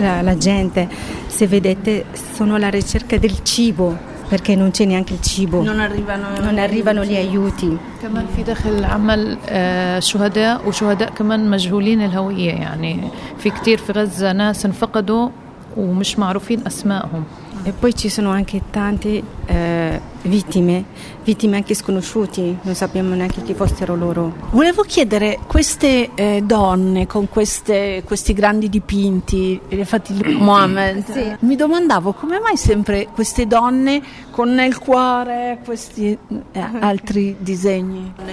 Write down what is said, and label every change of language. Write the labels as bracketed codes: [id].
[it] La gente, se vedete, sono alla ricerca del cibo perché non c'è neanche il cibo. Non arrivano gli aiuti. [ar] كمان في داخل العمل شهداء، وشهداء كمان مجهولين الهويه، يعني في كتير في غزه ناس انفقدوا ومش معروفين اسمائهم. [it] E poi ci sono anche tante vittime anche sconosciuti, non sappiamo neanche chi fossero loro. Volevo chiedere, queste donne con questi grandi dipinti, infatti Mohammed, sì. Mi domandavo come mai sempre queste donne con nel cuore questi altri disegni.